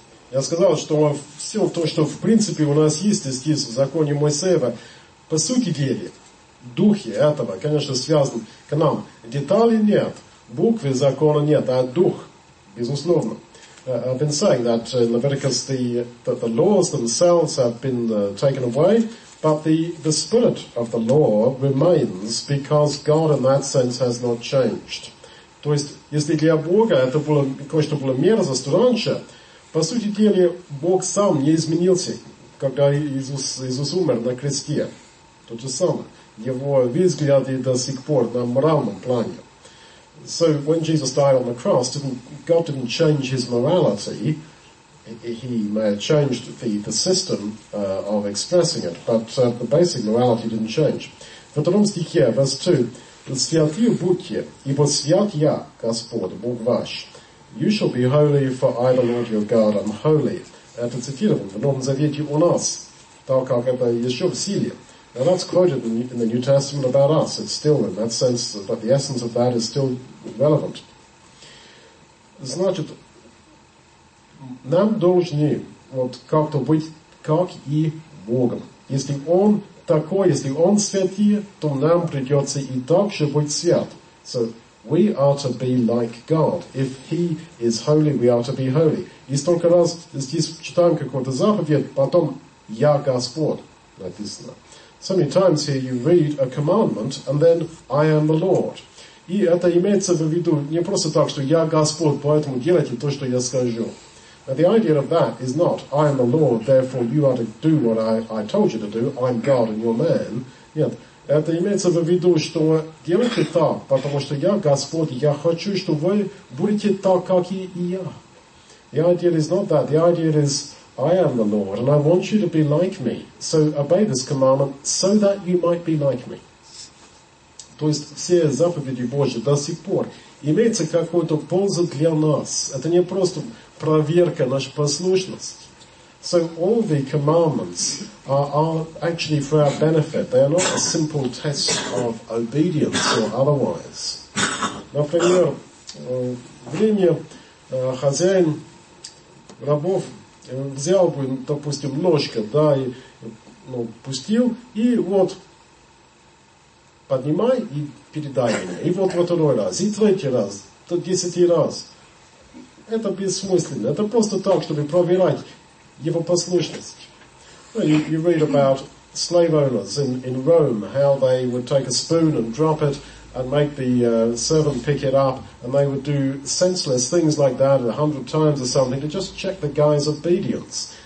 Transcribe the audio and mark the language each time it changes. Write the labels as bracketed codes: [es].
[ru] Я сказал, что все то, что в принципе у нас есть эскиз в законе Моисеева, по сути дела, духи этого, конечно, связан к нам. Деталей нет, буквы закона нет, а дух, безусловно. [en] I've been saying that in Leviticus that the laws themselves have been taken away, but the spirit of the law remains because God in that sense has not changed. [ru] То есть, если для Бога это было кое-что было мерзость раньше, по сути дела, Бог сам не изменился, когда Иисус умер на кресте. То же самое. Его взгляд и до сих пор на моральном плане. [en] So when Jesus died on the cross, God didn't change his morality. He may have changed the system of expressing it, but the basic morality didn't change. [ru] В втором стихе, [en] verse 2, [ru] «Святы будьте, ибо свят я, Господь, Бог ваш. [en] You shall be holy, for I, the Lord your God, am holy». [ru] Это цитировано в Новом Завете у нас, так как это еще в силе. [en] Now that's quoted in the New Testament about us. It's still in that sense, but the essence of that is still relevant. [ru] Значит, нам должны вот как-то быть как и Богом. Если Он такой, если Он святый, то нам придется и так же быть свят. [en] So we are to be like God. If He is holy, we are to be holy. [ru] И столько раз здесь читаем какую-то заповедь, потом «Я Господь» написано. [en] So many times here you read a commandment and then I am the Lord. [ru] И это имеется в виду не просто так, что я Господь, поэтому делайте то, что я скажу. [en] Now the idea of that is not I am the Lord, therefore you are to do what I told you to do. I'm God and you're man. [ru] Нет. Это имеется в виду, что делайте так, потому что я Господь, я хочу, что вы будете так, как и я. [en] The idea is not that. The idea is I am the Lord, and I want you to be like me. So obey this commandment, so that you might be like me. [ru] То есть все заповеди Божьи до сих пор имеются какой-то пользу для нас. Это не просто проверка нашей послушности. [en] So all the commandments are actually for our benefit. They are not a simple test of obedience or otherwise. [ru] Например, время хозяин рабов взял бы, допустим, ножка, да, и ну, пустил, и вот поднимай и передай мне. И вот второй раз, и третий раз, то десятый раз. Это бессмысленно. Это просто так, чтобы проверять его послушность. [en] You read about slave owners in Rome, how they would take a spoon and drop it and make the servant pick it up, and they would do senseless things like that 100 times or something to just check the guy's obedience.